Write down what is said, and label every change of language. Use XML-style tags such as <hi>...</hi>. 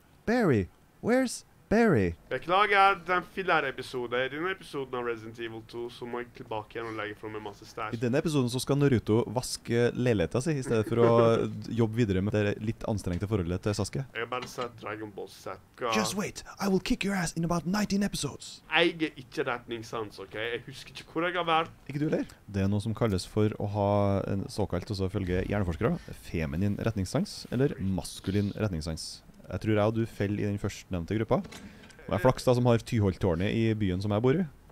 <en>Barry, where's Barry?</en> <no>Beklager den filler-episoden. I denne episoden av Resident Evil 2 så må jeg tilbake igjen og legge frem en masse stash. I denne episoden så skal Naruto vaske leiligheten sin i stedet for å jobbe videre med det litt anstrengte forholdet til Sasuke. Jeg har bare sett Dragon Ball Z-ka.</no> <en>Just wait, I will kick your ass in about 19 episodes.</en> <no>Jeg er ikke retningssans, ok? Jeg husker ikke hvor jeg har vært. Ikke du eller? Det er noe som kalles for å ha en såkalt, og så følge hjerneforskere, feminin retningssans eller maskulin retningssans. Jeg tror jeg og du fell i den første nevnte gruppa. Det er flaks da som har Tyholt-tårnet i byen som jeg bor i.</no>